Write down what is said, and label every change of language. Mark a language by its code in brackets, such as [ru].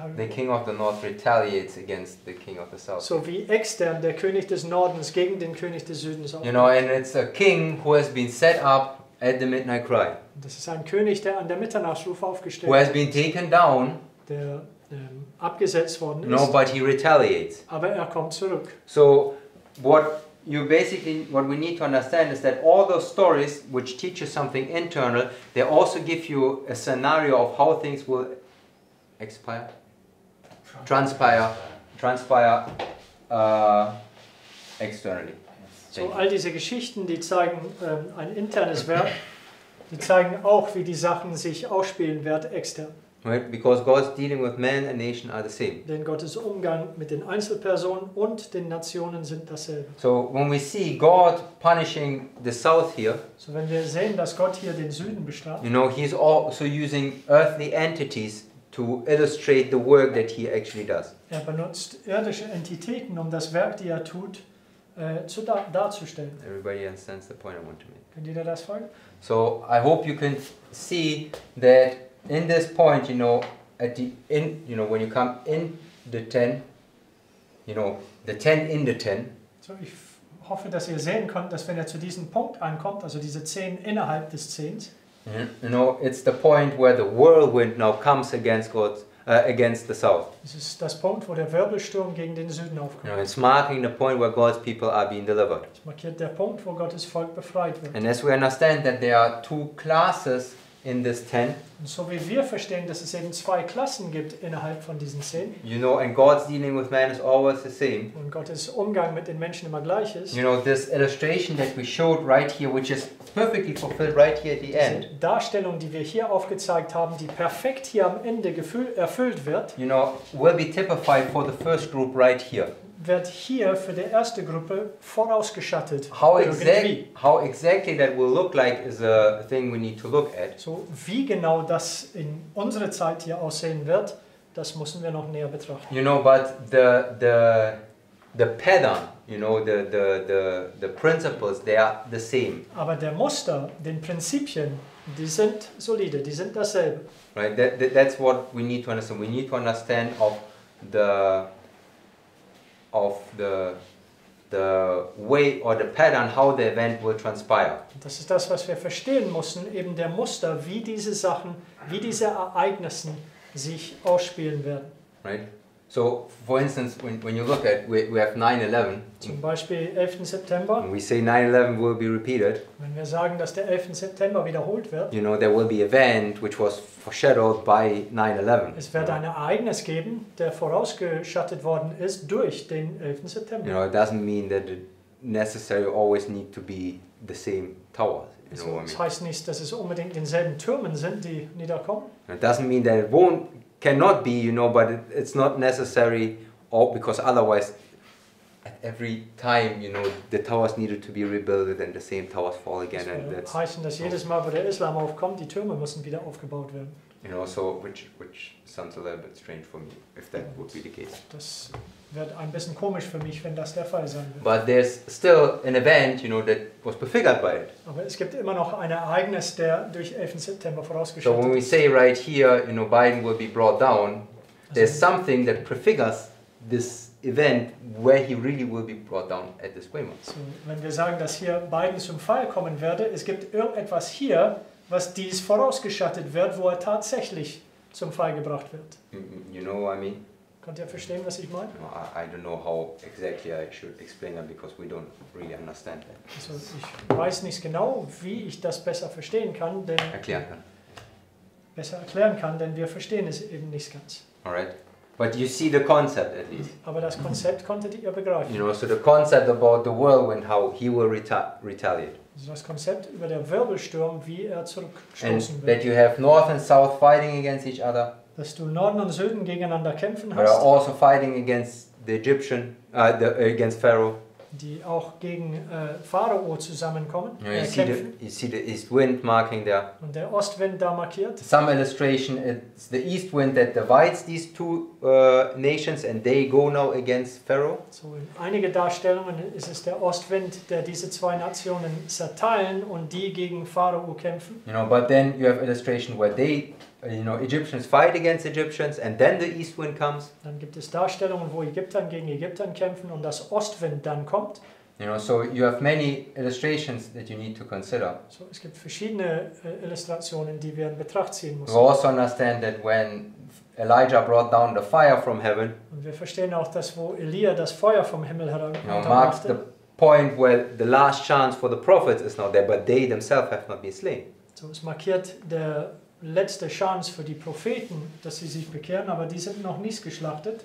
[en] the King of the North retaliates against the King of the South. [de] So wie extern der König des Nordens gegen den König des Südens. [en] You know, and it's a king who has been set up at the midnight cry. [de] Das ist ein König, der an der Mitternachtsrufe aufgestellt. [en] Who has been taken down. [de] Der abgesetzt worden ist. [en] No, but he retaliates. [de] Aber er kommt zurück. [en] So, what you basically, what we need to understand is that all those stories which teach you something internal, they also give you a scenario of how things will expire, transpire externally. [de] So all diese Geschichten, die zeigen ein internes Werk, die zeigen auch, wie die Sachen sich ausspielen werden extern. [en] Right? Because God's dealing with man and nation are the same. [de] Denn Gottes Umgang mit den Einzelpersonen und den Nationen sind dasselbe. [en] So when we see God punishing the south here, [de] so wenn wir sehen, dass Gott hier den Süden bestraft, [en] you know, he's also using earthly entities to illustrate the work that he actually does. [de] Er benutzt irdische Entitäten, um das Werk, die er tut, darzustellen. [en] Everybody understands the point I want to make. [de] Könnt ihr das folgen? [en] So I hope you can see that in this point, you know, at the in, you know, when you come in the ten, you know, the ten in the ten. [de] So, ich hoffe, dass ihr sehen könnt, dass wenn er zu diesem Punkt ankommt, also diese zehn innerhalb des Zehns. [en] You know, it's the point where the whirlwind now comes against God, against the south. [de] Es ist das Punkt, wo der Wirbelsturm gegen den Süden aufkommt. [en] You know, it's marking the point where God's people are being delivered. [de] Es markiert der Punkt, wo Gottes Volk befreit wird. [en] And as we understand that there are two classes in this tent. [de] So wie wir verstehen, dass es eben zwei Klassen gibt innerhalb von diesen Zehn. [en] You know, and God's dealing with man is always the same. [de] Und Gottes Umgang mit den Menschen immer gleich ist. [en] You know, this illustration that we showed right here, which is perfectly fulfilled right here at the end. [de] Diese Darstellung, die wir hier aufgezeigt haben, die perfekt hier am Ende erfüllt wird. [en] You know, will be typified for the first group right here. [de] wird hier für die erste Gruppe vorausgeschattet. [en] How exactly that will look like is a thing we need to look at. [de] So wie genau das in unserer Zeit hier aussehen wird, das müssen wir noch näher betrachten. [en] You know, but the pattern, you know, the principles, they are the same. [de] Aber der Muster, den Prinzipien, die sind solide, die sind dasselbe. [en] Right, that's what we need to understand. We need to understand of the way or the pattern how the event will transpire. [de] Das ist das, was wir verstehen müssen, eben der Muster, wie diese Sachen, wie diese Ereignisse sich ausspielen werden. [en] Right. So, for instance, when you look at, we have 9/11. [de] Zum Beispiel 11. September. [en] We say 9/11 will be repeated. [de] Wenn wir sagen, dass der 11. September wiederholt wird. [en] You know, there will be an event which was foreshadowed by 9/11. [de] Es wird ein Ereignis geben, der vorausgeschattet worden ist durch den 11. September. [en] You know, it doesn't mean that it necessarily always need to be the same tower. [de] Es heißt nicht, dass es unbedingt denselben Türmen sind, die niederkommen. [en] It doesn't mean that it won't. Cannot be, you know, but it's not necessary, or because otherwise, at every time, you know, the towers needed to be rebuilt and the same towers fall again. [de] Das würde heißen, dass jedes Mal, wo der Islam aufkommt, die Türme müssen wieder aufgebaut werden. [en] You know, so which sounds a little bit strange for me, if that would be the case. [de] Das wird ein bisschen komisch für mich, wenn das der Fall sein wird. [en] But there's still an event, you know, that was prefigured by it. [de] Aber es gibt immer noch ein Ereignis, der durch 11. September vorausgeschaut ist. [en] So when we say right here, you know, Biden will be brought down, there's something that prefigures this event where he really will be brought down at this moment. [de] So wenn wir sagen, dass hier Biden zum Fall kommen werde, es gibt irgendetwas hier, was dies vorausgeschattet wird, wo er tatsächlich zum Fall gebracht wird. [en] You know what I mean? [de] Könnt ihr verstehen, was ich meine? [en] I don't know how exactly I should explain that, because we don't really understand that. [de] Also ich weiß nicht genau, wie ich das besser verstehen kann, denn... Besser erklären kann, denn wir verstehen es eben nicht ganz. [en] Alright. But you see the concept at least. [de] Aber das Konzept konntet ihr begreifen. [en] You know, so the concept about the whirlwind, how he will retaliate. [de] Das Konzept über der Wirbelsturm, wie er zurückstoßen [en] and [de] wird. [en] That you have north and south fighting against each other. [de] Dass du Norden und Süden gegeneinander kämpfen hast. [en] They are also fighting against the Egyptian, against Pharaoh. [de] Die auch gegen Pharao zusammenkommen. [en] You see kämpfen. You see the east wind marking there. [de] Und der Ostwind da markiert. [en] Some illustration, it's the east wind that divides these two nations and they go now against Pharaoh. [de] So in einige Darstellungen ist es der Ostwind, der diese zwei Nationen zerteilen und die gegen Pharao kämpfen. [en] You know, but then you have illustration where they, you know, Egyptians fight against Egyptians and then the east wind comes. [de] Dann gibt es Darstellungen, wo Ägypter gegen Ägypter kämpfen und das Ostwind dann kommt. [en] You know, so you have many illustrations that you need to consider. [de] So es gibt verschiedene Illustrationen, die wir in Betracht ziehen müssen. [en] We also understand that when Elijah brought down the fire from heaven. [de] Und wir verstehen auch, dass wo Elia das Feuer vom Himmel herabbrachte. [en] You know, marks the point where the last chance for the prophets is now there, but they themselves have not been slain. [de] So es markiert der letzte Chance für die Propheten, dass sie sich bekehren, aber die sind noch nicht geschlachtet.